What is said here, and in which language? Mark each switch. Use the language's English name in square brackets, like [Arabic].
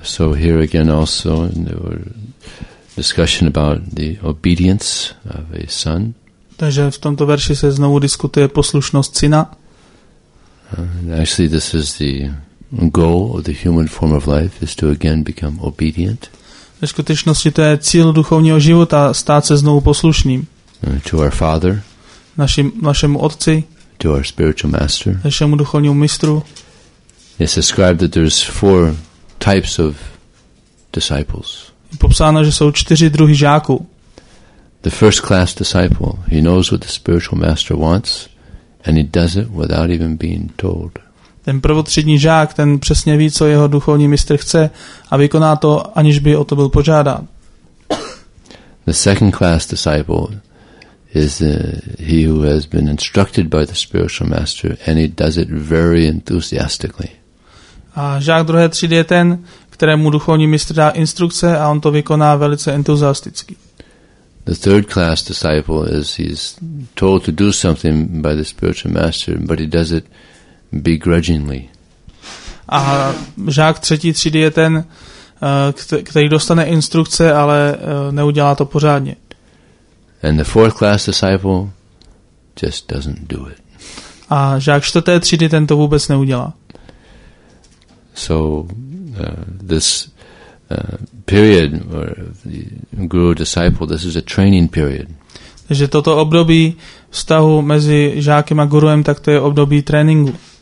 [English] So here again also, there were discussion about the obedience of a son. [Czech] Takže v tomto verši se znovu diskutuje poslušnost syna. [English] Actually, this is the goal of the human form of life, is to again become obedient. [Czech] Ve skutečnosti to je cíl duchovního života, stát se znovu poslušným. [English] To our father, [Czech] našemu otci, [English] to our spiritual master, [Czech] našemu duchovnímu mistru. [English] It's described that there's four types of disciples. [Czech] Je popsáno, že jsou čtyři druhy žáků. [English] The first class disciple, he knows what the spiritual master wants and he does it without even being told. [Czech] Ten prvotřídní žák, ten přesně ví, co jeho duchovní mistr chce a vykoná to, aniž by o to byl požádán. [English] The second class disciple is he who has been instructed by the spiritual master and he does it very enthusiastically. [Czech] A žák druhé třídy je ten, kterému duchovní mistr dá instrukce a on to vykoná velice entuziasticky. [English] The third class disciple is he's told to do something by the spiritual master, but he does it begrudgingly. [Czech] A žák třetí třídy je ten, který dostane instrukce, ale neudělá to pořádně. [English] And the fourth class disciple just doesn't do it. [Czech] A žák čtvrté třídy ten to vůbec neudělá. [English] So this period or the guru disciple, this is a training period. [Czech] Takže toto období vztahu mezi žákem a guruem, tak to je období tréninku.